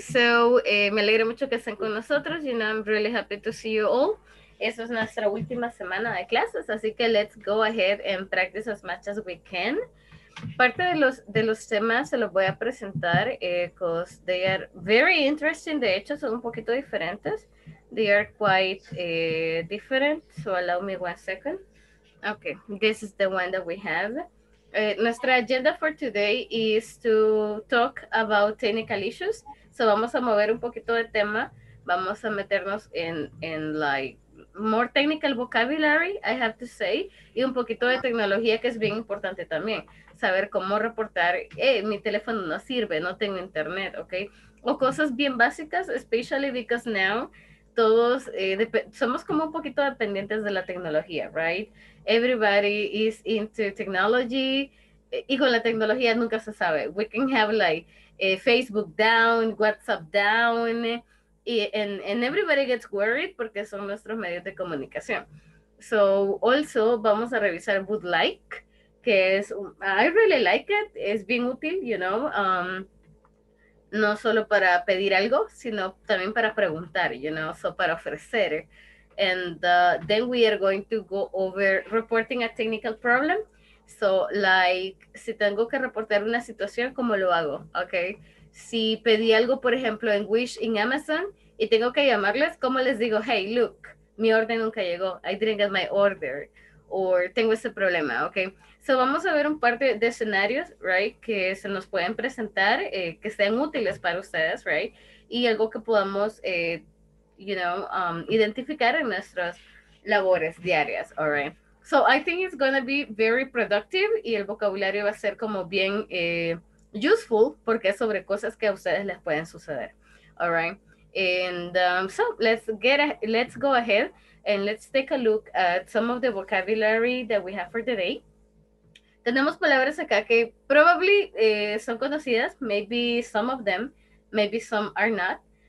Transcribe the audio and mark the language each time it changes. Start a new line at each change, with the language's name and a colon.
Spanish: So, me alegro mucho que estén con nosotros.
English: You know, I'm really happy to see you all.
Spanish: Eso es nuestra última semana de clases, así que
English: let's go ahead and practice as much as we can.
Spanish: Parte de los temas se los voy a presentar,
English: because they are very interesting.
Spanish: De hecho, son un poquito diferentes.
English: They are quite different, so allow me one second. Okay, this is the one that we have.
Spanish: Nuestra agenda
English: for today is to talk about technical issues.
Spanish: So vamos a mover un poquito de tema. Vamos a meternos en like,
English: more technical vocabulary, I have to say,
Spanish: y un poquito de tecnología que es bien importante también. Saber cómo reportar, mi teléfono no sirve, no tengo internet, okay? O cosas bien básicas,
English: especially because now
Spanish: todos somos como un poquito dependientes de la tecnología, right?
English: Everybody is into technology,
Spanish: y con la tecnología nunca se sabe.
English: We can have like Facebook down, WhatsApp down, And everybody gets worried
Spanish: porque son nuestros medios de comunicación. So, also, vamos a revisar Would Like, que es,
English: I really like it,
Spanish: es bien útil, you know, no solo para pedir algo, sino también para preguntar, you know, so para ofrecer.
English: And then we are going to go over reporting a technical problem.
Spanish: So, like, si tengo que reportar una situación, ¿cómo lo hago? Okay. Si pedí algo, por ejemplo, en Wish en Amazon y tengo que llamarles, ¿cómo les digo?
English: Hey, look,
Spanish: mi orden nunca llegó.
English: I didn't get my order.
Spanish: Or tengo ese problema, okay? So vamos a ver un par de escenarios, right, que se nos pueden presentar, que sean útiles para ustedes, right? Y algo que podamos, you know, identificar en nuestras labores diarias, all right?
English: So I think it's going to be very productive
Spanish: y el vocabulario va a ser como bien...
English: useful,
Spanish: porque es sobre cosas que a ustedes les pueden suceder.
English: All right. And so let's go ahead and let's take a look at some of the vocabulary that we have for today.
Spanish: Tenemos palabras acá que
English: probably
Spanish: son conocidas.
English: Maybe some of them, maybe some are not.